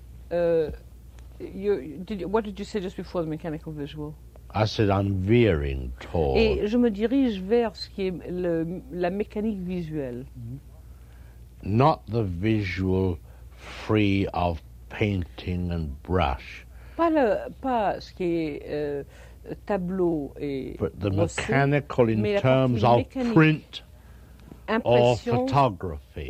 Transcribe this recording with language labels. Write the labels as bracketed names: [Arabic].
[English] What did you say just before the mechanical visual? I said I'm veering toward. [French] Et je me dirige vers ce qui est la mécanique visuelle. Mm-hmm. [English] Not the visual free of painting and brush. [French] Pas ce qui est tableau et. [English] But the mechanical in terms of print. Or photography,